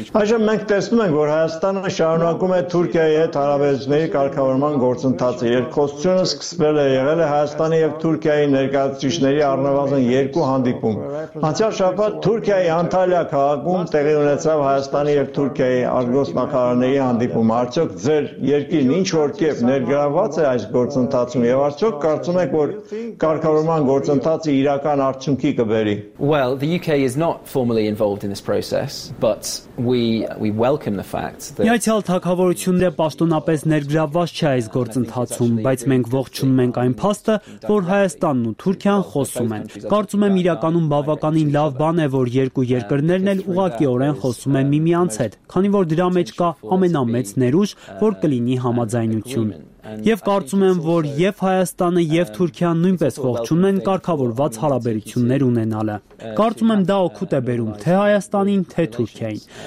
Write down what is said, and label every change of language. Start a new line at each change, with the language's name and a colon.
Armenian: Այժմ մենք տեսնում ենք, որ Հայաստանը շարունակում է Թուրքիայի հետ հարաբերությունների կարգավորման գործընթացը։ Երկխոսությունը սկսվել է եղել է Հայաստանի եւ Թուրքիայի ներկայացուցիչների առնվազն երկու հանդիպում։ Անցյալ շաբաթ Թուրքիայի Անտալիա քաղաքում տեղի ունեցավ Հայաստանի եւ Թուրքիայի արտգործնախարարների հանդիպում։ Արդյոք ձեր երկիրն ինչ որ կերպ ներգրավված է այս գործընթացում եւ արդյոք կարծում եք, որ կարգավորման գործընթացը իրական արդյունքի կբերի։
English: Well, the UK is not formally involved in this process, but we welcome the fact that
Armenian: Միացյալ թագավորությունները պաշտոնապես ներգրավված չէ այս գործընթացում, բայց մենք ողջունում ենք այն փաստը, որ Հայաստանն ու Թուրքիան խոսում են։ Կարծում եմ իրականում բավականին լավ բան է, որ երկու երկրներն էլ ուղղակիորեն խոսում են միմյանց հետ, քանի որ դրա մեջ կա ամենամեծ ներուժ, որ կլինի համաձայնություն։ Եվ կարծում եմ, որ եւ Հայաստանը եւ Թուրքիան նույնպես ողջունում են կարգավորված հարաբերություններ ունենալը։ Կարծում եմ, դա օգուտ է բերում թե Հայաստանին, թե Թուրքիային։